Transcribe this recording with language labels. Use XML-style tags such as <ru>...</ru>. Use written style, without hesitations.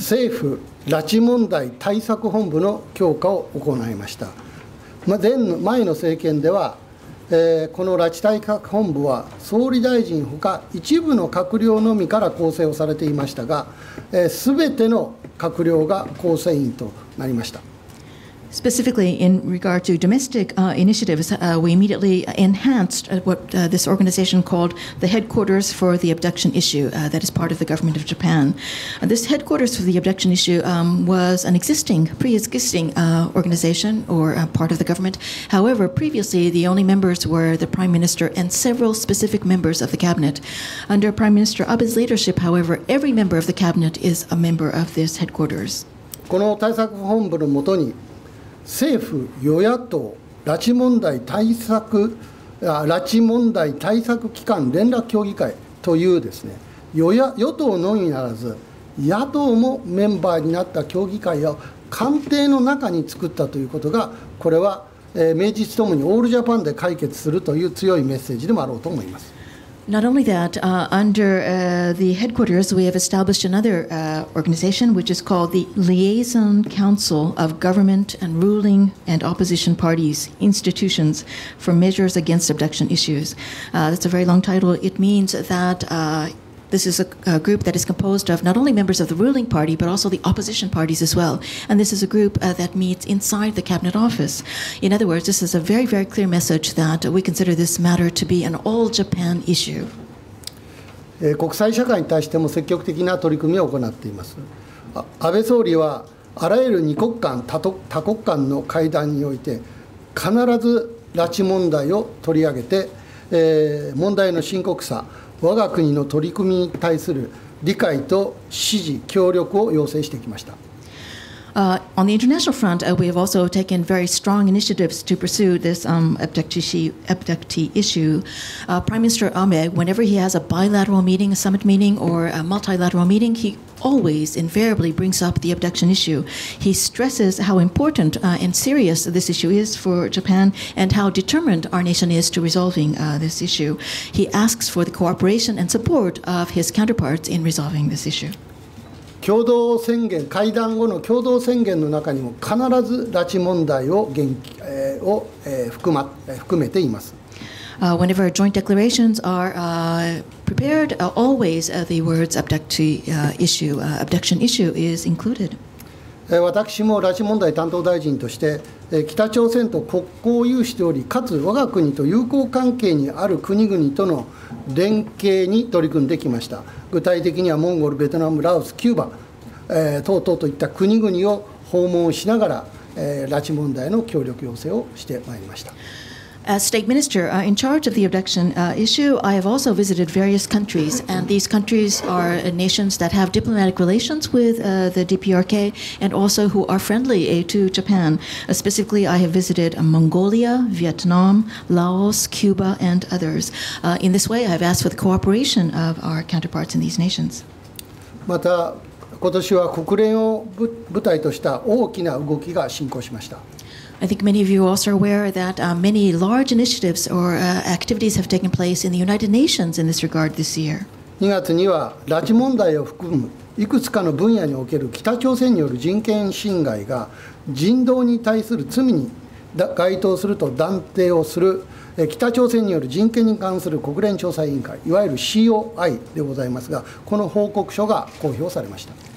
<ja>政府拉致問題対策本部の強化を行いました。前の政権では、この拉致対策本部は総理大臣ほか一部の閣僚のみから構成をされていましたが、すべての閣僚が構成員となりました。</ja> <en>Specifically, in regard to domestic initiatives, we immediately enhanced what this organization called the headquarters for the abduction issue that is part of the government of Japan. This headquarters for the abduction issue was an existing, pre-existing organization or part of the government. However, previously, the only members were the prime minister and several specific members of the cabinet. Under Prime Minister Abe's leadership, however, every member of the cabinet is a member of this headquarters.</en> <ja>この対策本部のもとに政府与野党拉致問題対策拉致問題対策機関連絡協議会というですね与党のみならず野党もメンバーになった協議会を官邸の中に作ったということがこれは明治ともにオールジャパンで解決するという強いメッセージでもあろうと思います。</ja> <en>Not only that, under the headquarters, we have established another organization, which is called the Liaison Council of Government and Ruling and Opposition Parties Institutions for Measures Against Abduction Issues. That's a very long title. It means that this is a group that is composed of not only members of the ruling party, but also the opposition parties as well. And this is a group that meets inside the cabinet office. In other words, this is a very, very clear message that we consider this matter to be an all Japan issue.</en> <ja>国際社会に対しても積極的な取り組みを行っています。安倍総理はあらゆる二国間、多国間の会談において必ず拉致問題を取り上げて、問題の深刻さ、我が国の取り組みに対する理解と支持、協力を要請してきました。</ja> <en>On the international front, we have also taken very strong initiatives to pursue this abductee issue. Prime Minister Abe, whenever he has a bilateral meeting, a summit meeting, or a multilateral meeting, he always invariably brings up the abduction issue. He stresses how important and serious this issue is for Japan and how determined our nation is to resolving this issue. He asks for the cooperation and support of his counterparts in resolving this issue.</en> <ja>共同宣言、会談後の共同宣言の中にも必ず拉致問題を含めています。</ja> <en>Whenever joint declarations are prepared, always the words abduction issue is included.</en> <ja>私も拉致問題担当大臣として、北朝鮮と国交を有しており、かつ我が国と友好関係にある国々との連携に取り組んできました。具体的にはモンゴル、ベトナム、ラオス、キューバ、等々といった国々を訪問しながら、拉致問題の協力要請をしてまいりました。</ja> <en>As State Minister in charge of the abduction issue, I have also visited various countries, and these countries are nations that have diplomatic relations with the DPRK and also who are friendly to Japan. Specifically, I have visited Mongolia, Vietnam, Laos, Cuba, and others. In this way, I have asked for the cooperation of our counterparts in these nations.</en> <ja>また、今年は国連を舞台とした大きな動きが進行しました。</ja> <en>I think many of you also are aware that many large initiatives or activities have taken place in the United Nations in this regard this year.</en> <ja>2月には拉致問題を含むいくつかの分野における北朝鮮による人権侵害が人道に対する罪に該当すると断定をする北朝鮮による人権に関する国連調査委員会、いわゆる COI でございますが、この報告書が公表されました。</ja>